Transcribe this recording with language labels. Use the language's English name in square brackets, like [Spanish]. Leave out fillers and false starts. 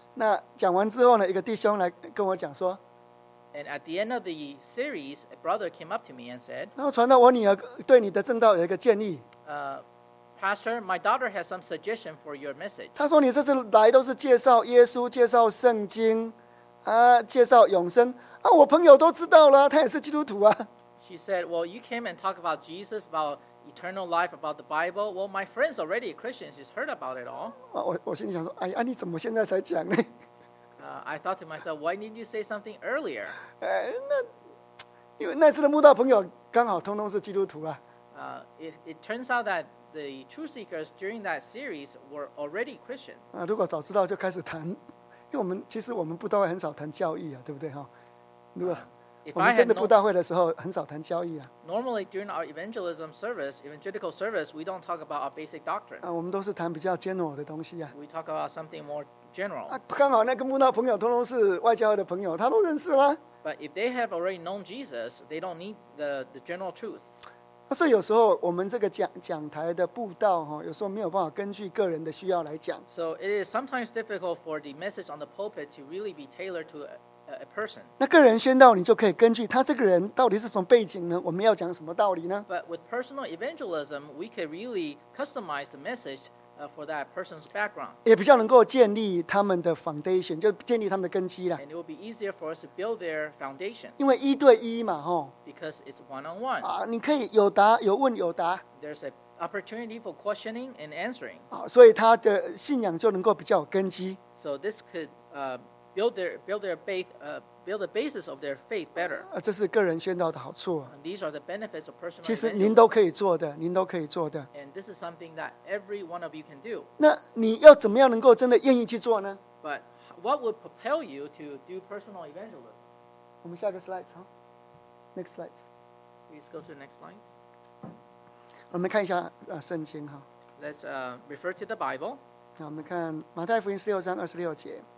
[Chinese] 那讲完之后呢，一个弟兄来跟我讲说。 [English] And at the end of the series, a brother came up to me and said. [Chinese] 然后传到我女儿对你的正道有一个建议。 [English] Pastor, my daughter has some suggestion for your message. [Chinese] 他说你这次来都是介绍耶稣，介绍圣经，介绍永生啊，我朋友都知道了，他也是基督徒啊。 [English] She said, well, you came and talk about Jesus, about eternal life, about the Bible. Well, my friend's already a Christian. She's heard about it all. [Chinese] 我心里想说，哎呀，你怎么现在才讲呢 [English] ？I thought to myself, why didn't you say something earlier? [Chinese] 因为那次的慕道朋友刚好通通是基督徒啊。 [English] It turns out that the truth seekers during that series were already Christian. [Chinese] 如果早知道就开始谈，因为我们其实我们布道会很少谈教义啊，对不对哈？如果我们真的布道会的时候很少谈教义啊。 [English] Normally during our evangelism service, evangelical service, we don't talk about our basic doctrine. [Chinese] 我们都是谈比较 general 的东西啊。 [English] We talk about something more general. [Chinese] 刚好那个慕道朋友通通是外教会的朋友，他都认识啦。 [English] But if they have already known Jesus, they don't need the general truth. [Chinese] 所以有时候我们这个 讲台的布道、哦、有时候没有办法根据个人的需要来讲。 [English] So it is sometimes difficult for the message on the pulpit to really be tailored to a person. [Chinese] 那个人宣道，你就可以根据他这个人到底是什么背景呢？我们要讲什么道理呢 [English] ？But with personal evangelism, we can really customize the message for that person's background. [Chinese] 也比较能够建立他们的 foundation， 就建立他们的根基了。 [English] And it will be easier for us to build their foundation. [Chinese] 因为一对一嘛，哦、 [English] Because it's one-on-one. [Chinese] 啊，你可以有答有问有答。 [English] There's an opportunity for questioning and answering. [Chinese] 啊，所以他的信仰就能够比较有根基。 [English] So this could build the basis of their faith better. [Chinese] 这是个人宣道的好处。 [English] And these are the benefits of personal. [Chinese] 其实您都可以做的，您都可以做的。 [English] And this is something that every one of you can do. [Chinese] 那你要怎么样能够真的愿意去做呢 [English] ？But what would propel you to do personal evangelism? [Chinese] 我们下个 slide 哈 ， [English] next slide. Please go to the next slide. [Chinese] 我们看一下圣经哈。 [English] Let's refer to the Bible. [Chinese] 那我们看马太福音16:26。